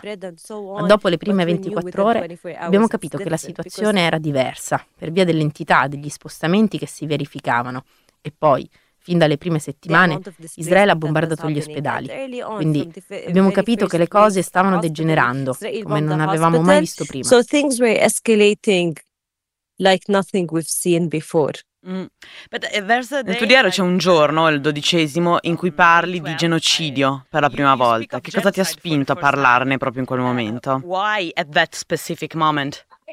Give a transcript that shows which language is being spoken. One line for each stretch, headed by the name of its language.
Italian: Ma dopo le prime 24 ore abbiamo capito che la situazione era diversa, per via dell'intervento degli spostamenti che si verificavano. E poi, fin dalle prime settimane, Israele ha bombardato gli ospedali. Quindi abbiamo capito che le cose stavano degenerando come non avevamo mai visto prima.
English: So things were escalating like nothing we've seen before.
Italian: Nel tuo diario c'è un giorno, il dodicesimo, in cui parli di genocidio per la prima volta. Che cosa ti ha spinto a parlarne proprio in quel momento?
English: Why at that specific moment?